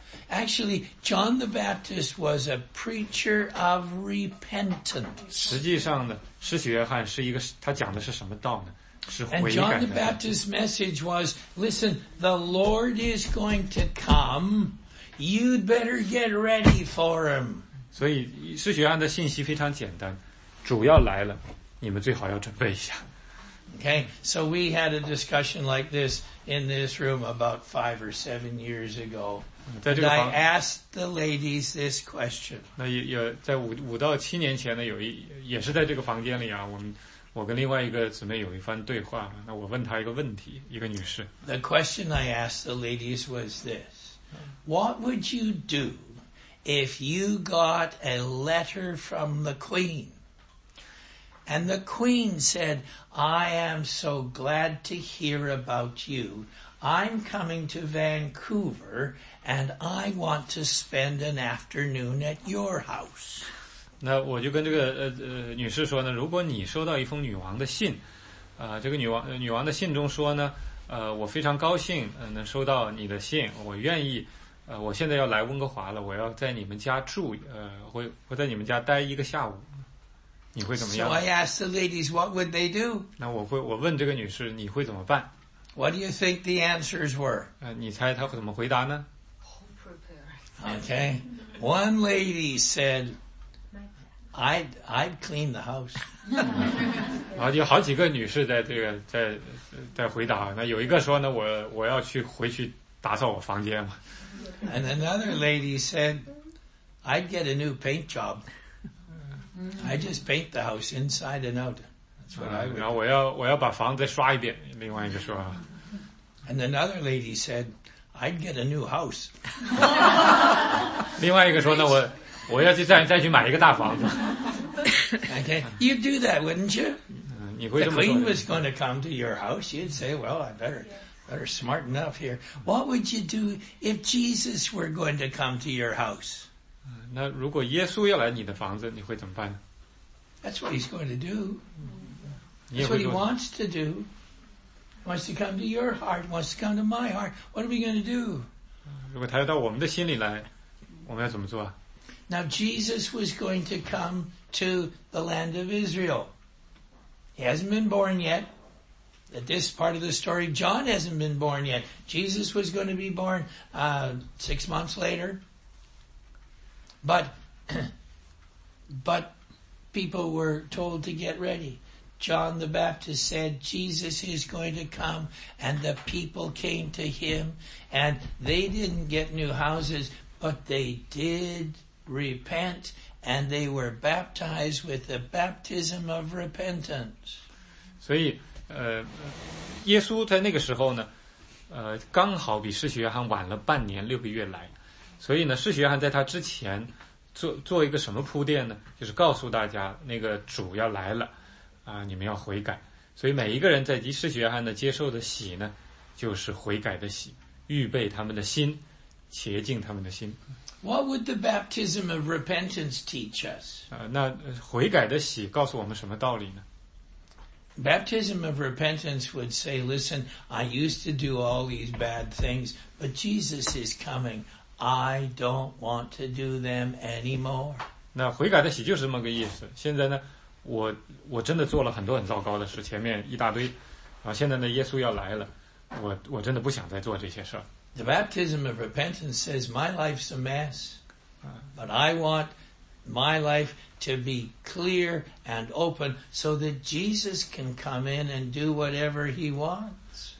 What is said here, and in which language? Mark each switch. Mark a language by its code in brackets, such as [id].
[en] Actually, John the Baptist was a preacher of repentance. [zh] 实际上呢，施洗约翰是一个，他讲的是什么道呢？是悔改。 [en] And John the Baptist's message was, listen, the Lord is going to come, you'd better get ready for him. [zh] 所以施洗约翰的信息非常简单，主要来了，你们最好要准备一下。 [en] Okay, so we had a discussion like this in this room about 5 or 7 years ago. And I asked the ladies this question. [zh] 那有在五到七年前呢，有一也是在这个房间里啊，我跟另外一个姊妹有一番对话。那我问她一个问题，一个女士。 [en] The question I asked the ladies was this: What would you do if you got a letter from the Queen? And the Queen said, I am so glad to hear about you. I'm coming to Vancouver and I want to spend an afternoon at your house. [zh] 那我就跟这个女士说呢，如果你收到一封女王的信，这个女王的信中说呢，我非常高兴能收到你的信，我愿意，我现在要来温哥华了，我要在你们家住，会在你们家待一个下午。你会怎么样？ [en] So I asked the ladies, what would they do? [zh] 那我问这个女士，你会怎么办？ [en] What do you think the answers were? [zh] 你猜她会怎么回答呢？ [en] Okay. One lady said, I'd clean the house. [zh] 啊，有好几个女士在这个在回答。那有一个说呢，我要去回去打扫我房间嘛。 [en] And another lady said, I'd get a new paint job. I just paint the house inside and out. That's what I would. [zh] 然后我要把房子刷一遍。另外一个说。 [en] And another lady said, I'd get a new house. [zh] 另外一个说呢，我要去再去买一个大房子。 [en] Okay, you'd do that, wouldn't you? The queen was going to come to your house. You'd say, well, I better smart enough here. What would you do if Jesus were going to come to your house? [zh] 那如果耶稣要来你的房子，你会怎么办？ [en] That's what he's going to do. That's what he wants to do. He wants to come to your heart. Wants to come to my heart. What are we going to do? [zh] 如果他要到我们的心里来，我们要怎么做？ [en] Now Jesus was going to come to the land of Israel. He hasn't been born yet. At this part of the story, John hasn't been born yet. Jesus was going to be born 6 months later. But people were told to get ready. John the Baptist said Jesus is going to come, and the people came to him, and they didn't get new houses, but they did repent, and they were baptized with the baptism of repentance. [zh] 所以，耶稣在那个时候呢，刚好比施洗约翰晚了半年六个月来，所以呢，施洗约翰在他之前做一个什么铺垫呢？就是告诉大家那个主要来了。啊，你们要悔改，所以每一个人在施洗约翰的接受的洗呢，就是悔改的洗，预备他们的心，洁净他们的心。 [en] What would the baptism of repentance teach us？ [zh] 那悔改的洗告诉我们什么道理呢 [en] ？Baptism of repentance would say, "Listen, I used to do all these bad things, but Jesus is coming. I don't want to do them anymore." [zh] 那悔改的洗就是这么个意思。现在呢？我真的做了很多很糟糕的事，前面一大堆，然后现在呢，耶稣要来了，我真的不想再做这些事。 [en] The baptism of repentance says my life's a mess, but I want my life to be clear and open so that Jesus can come in and do whatever He wants.